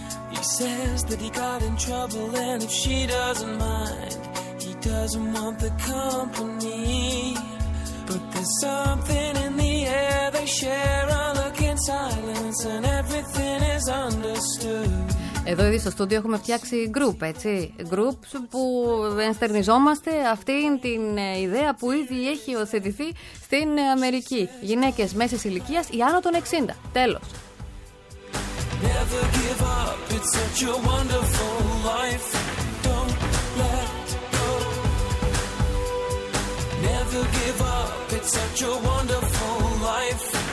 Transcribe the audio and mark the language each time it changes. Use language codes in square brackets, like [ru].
[en] He says that he got in trouble, and if she doesn't mind, he doesn't want the company. But there's something in the air, they share a look in silence, and everything is understood. [el] Εδώ ήδη στο στούντιο έχουμε φτιάξει group, έτσι. Group που ενστερνιζόμαστε αυτήν την ιδέα που ήδη έχει υιοθετηθεί στην Αμερική. Γυναίκες μέσης ηλικίας ή άνω των 60. Τέλος. [en] Never give up, it's such a wonderful life. Don't let go. Never give up, it's such a wonderful life.